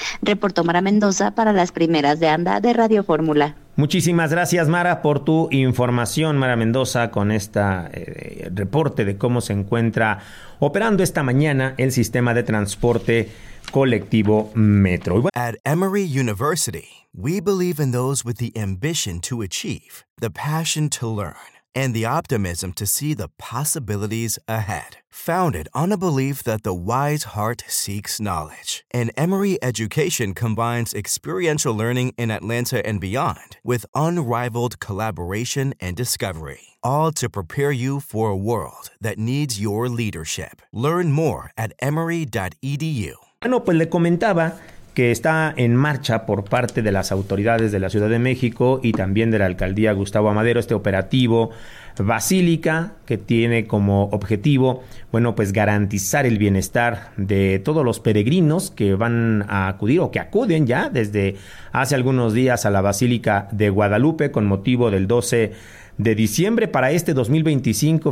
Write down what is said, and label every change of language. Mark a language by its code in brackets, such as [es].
[es] Reportó Mara Mendoza para las primeras de ANDA de Radio Fórmula. Muchísimas gracias, Mara, por tu información. Mara Mendoza con este reporte de cómo se encuentra operando esta mañana el sistema de transporte colectivo Metro. [en] At Emory University, we believe in those with the ambition to achieve, the passion to learn, and the optimism to see the possibilities ahead. Founded on a belief that the wise heart seeks knowledge, an Emory education combines experiential learning in Atlanta and beyond with unrivaled collaboration and discovery, all to prepare you for a world that needs your leadership. Learn more at emory.edu. [es] Bueno, pues le comentaba que está en marcha por parte de las autoridades de la Ciudad de México y también de la alcaldía Gustavo A. Madero este operativo Basílica, que tiene como objetivo, bueno, pues garantizar el bienestar de todos los peregrinos que van a acudir o que acuden ya desde hace algunos días a la Basílica de Guadalupe con motivo del 12 de diciembre para este 2025.